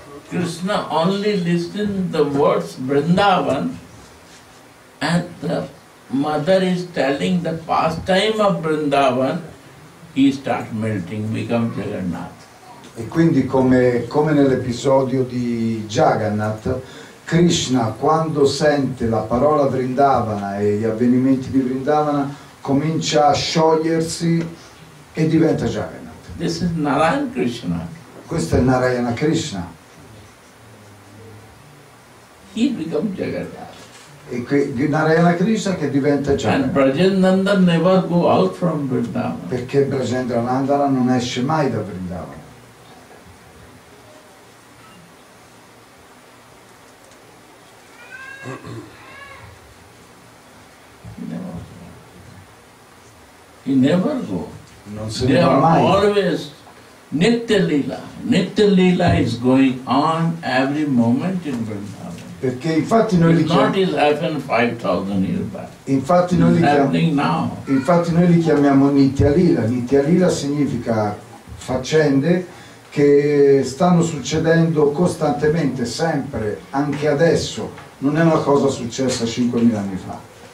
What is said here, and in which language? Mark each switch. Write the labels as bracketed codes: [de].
[en] Krishna only listen the words Vrindavan and the mother is telling the pastime of Vrindavan, he start melting, become Jagannath. [it] E quindi come nell'episodio di Jagannath, Krishna, quando sente la parola Vrindavana e gli avvenimenti di Vrindavana, comincia a sciogliersi e diventa Jagannath. [en] This is Narayana Krishna. [it] Questo è Narayana Krishna. [en] He becomes Jagannath. [it] E Narayana Krishna che diventa Jagannath. [en] And Brajendranda never go out from Vrindavana. [it] Perché Brajendranandana non esce mai da Vrindavana. [en] He never go. [it] Non se ne va mai. [en] They are always Nitya Lila. Nitya Lila is going on every moment in Vrindavan. [it] Perché infatti noi li chiamiamo. [en] Not is happened 5,000 years back. [it] Infatti noi li chiamiamo. Infatti noi li chiamiamo Nitya Lila. Nitya Lila significa faccende che stanno succedendo costantemente, sempre, anche adesso. Non è una cosa successa 5.000 anni fa.